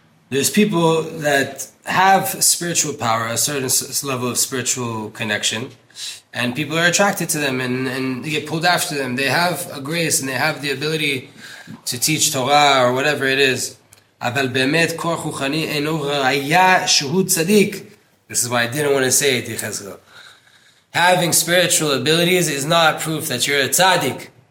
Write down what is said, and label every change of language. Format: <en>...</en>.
<en>There's people that have spiritual power, a certain level of spiritual connection, and people are attracted to them and they get pulled after them. They have a grace and they have the ability to teach Torah or whatever it is.</en> <he>אבל באמת כוח רוחני אינו ראיה שהוא צדיק.</he> <en>This is why I didn't want to say it, יחזקאל. Having spiritual abilities is not proof that you're a tzaddik.</en>